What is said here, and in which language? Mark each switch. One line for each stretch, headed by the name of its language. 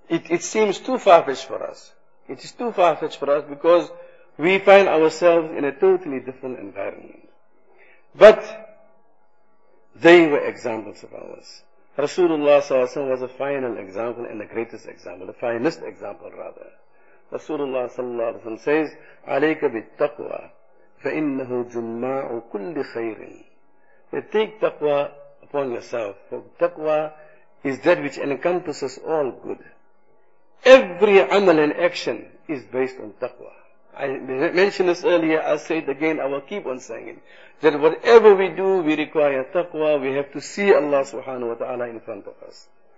English: It seems too far-fetched for us. It is too far-fetched for us because we find ourselves in a totally different environment. But they were examples of ours. Rasulullah s.a.w. was a final example and the greatest example, the finest example rather. Rasulullah s.a.w. says,
Arabic: عَلَيْكَ بِالتَّقْوَى فَإِنَّهُ جُمَّاعُ كُلِّ خَيْرٍ.
English: They take taqwa upon yourself. For taqwa is that which encompasses all good. Every amal and action is based on taqwa. I mentioned this earlier, I'll say it again, I will keep on saying it. That whatever we do, we require taqwa, we have to see Allah subhanahu wa ta'ala in front of us.